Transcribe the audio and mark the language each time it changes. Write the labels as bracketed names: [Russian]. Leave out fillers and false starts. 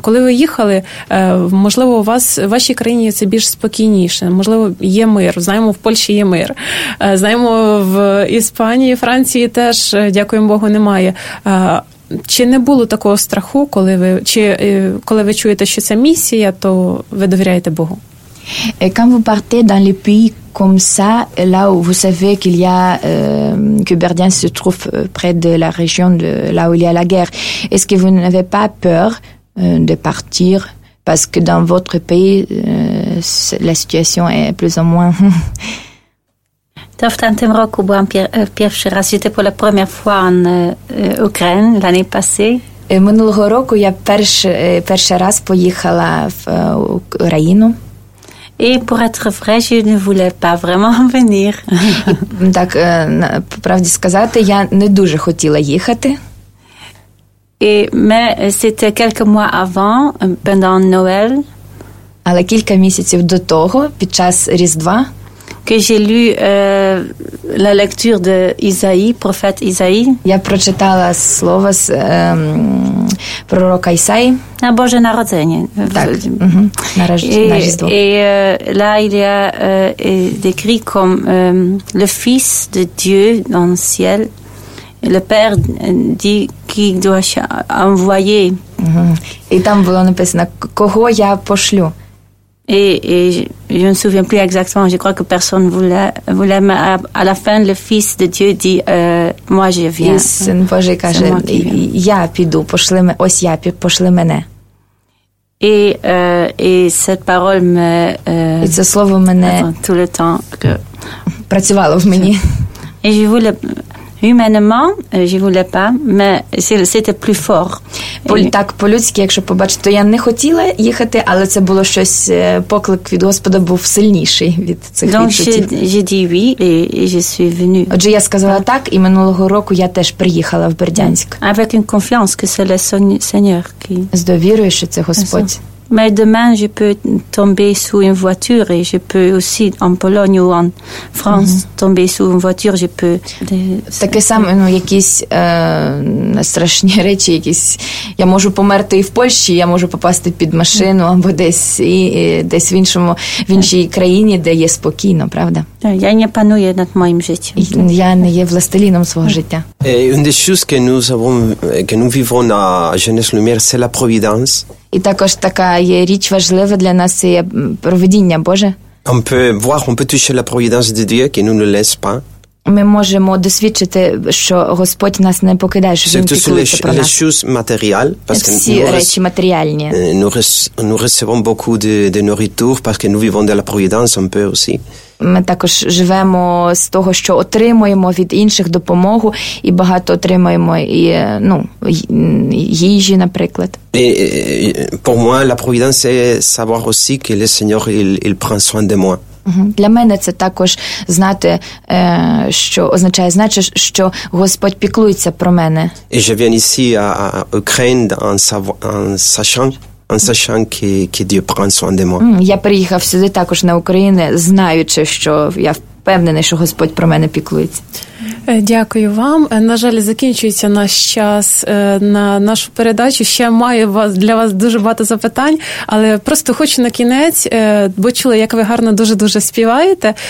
[Ukrainian] Коли ви їхали, можливо, у вас, в вашій країні це більш спокійніше. Можливо, є мир. Знаємо, в Польщі є мир. Знаємо, в Іспанії, Франції теж, дякуємо Богу, немає. Чи не було такого страху, коли ви чуєте, що це місія, то ви довіряєте Богу? [French] Quand vous partez dans les pays comme ça, là où vous savez qu'il y a que Berdian se trouve près de la région de là où il y a la guerre, est-ce que vous n'avez pas peur de partir parce que dans votre pays la situation est plus ou moins [Polish] To w tamtym roku byłam pierwszy raz, czyli to po [French] la première fois en Ukraine l'année passée. [Ukrainian] Минулого року я перший раз поїхала в Україну. [French] Et pour être vrai, je ne voulais pas vraiment venir. [Ukrainian] Так, по правді сказати, я не дуже хотіла їхати. [French] Mais c'était quelques mois avant, pendant Noël. [Ukrainian] Але кілька місяців до того, під час Різдва, [French] que j'ai lu la lecture de Isaïe, prophète Isaïe. [Ukrainian] Я прочитала слово з пророка Ісаї. На Боже народження. Так. На Різдво. [French] Et là il y a décrit comme le fils de Dieu dans le ciel. Le père dit qui doit envoyer. [Ukrainian] І там було написано: кого я пошлю? [French] Et je ne me souviens plus exactement, je crois que personne voulait, mais à la fin, le Fils de Dieu dit, moi je viens. [Ukrainian] Et Сын Божий каже, я піду, пошли, ось я, пошли мене. [French] Et cette parole me... Et ce [Ukrainian] слово мене... [French] Tout le temps que... [Ukrainian] Працювало в мені. [French] Et je voulais... Humainement, je voulais pas, mais c'était plus fort. [Ukrainian] Так, по-людськи, якщо побачити, то я не хотіла їхати, але це було щось, поклик від Господа був сильніший від цих відчуттів. Отже, я сказала так, і минулого року я теж приїхала в Бердянськ. [French] Avec une confiance que c'est le Seigneur qui... [Ukrainian] З довірою, що це Господь. [French] Mais demain, je peux tomber sous une voiture et je peux aussi, en Pologne ou en France, tomber sous une voiture, je peux... [Ukrainian] Таке саме, ну, якісь страшні речі, якісь... Я можу померти і в Польщі, я можу попасти під машину або десь в іншому, в іншій країні, де є спокійно, правда? Я не паную над моїм життям. Я не є властеліном свого життя. [French] Une des choses que nous vivons à Jeunesse Lumière, c'est la providence. [Ukrainian] І також така є річ важлива для нас, це є провидіння Боже. [French] On peut voir, on peut toucher la providence de Dieu qui nous ne laisse pas. [Ukrainian] ми можемо досвідчити, що Господь нас не покидає, що Він піклується про нас. Всі речі матеріальні. [French] Nous recevons beaucoup de nourriture parce que nous vivons de la providence un peu aussi. [Ukrainian] Ми також живемо з того, що отримуємо від інших допомогу, і багато отримуємо і, ну, їжі, наприклад. [French] Et pour moi la providence c'est savoir aussi que le Seigneur il prend soin de moi. [Ukrainian] Для мене це також знати, що означає, значить, що Господь піклується про мене. [French] Et je viens ici à Ukraine en sachant que Dieu prend soin de moi. [Ukrainian] Я приїхав сюди також на Україну, знаючи, що я впевнений, що Господь про мене піклується. Дякую вам. На жаль, закінчується наш час на нашу передачу. Ще маю для вас дуже багато запитань, але просто хочу на кінець, бо чула, як ви гарно дуже-дуже співаєте.